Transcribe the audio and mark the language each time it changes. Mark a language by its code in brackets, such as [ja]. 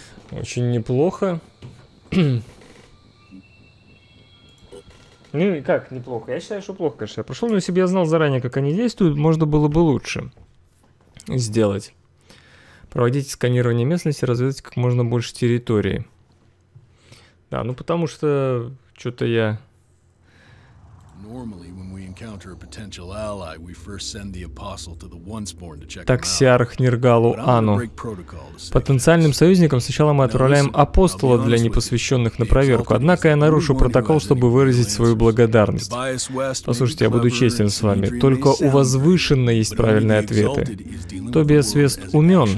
[ru] Очень неплохо. Ну и как неплохо? Я считаю, что плохо, конечно. Я прошел, но если бы я знал заранее, как они действуют, можно было бы лучше сделать. Проводить сканирование местности, разведать как можно больше территории. Да, ну потому что что-то я... [en] Normally, when we encounter a potential ally, we first send the apostle to the Onceborn to check. [ru] Таксиарх Ниргалу Ану. Потенциальным союзникам сначала мы отправляем апостола для непосвященных на проверку. Однако я нарушу протокол, чтобы выразить свою благодарность. Послушайте, я буду честен с вами. Только у возвышенной есть правильные ответы. Тобиас Вест умен.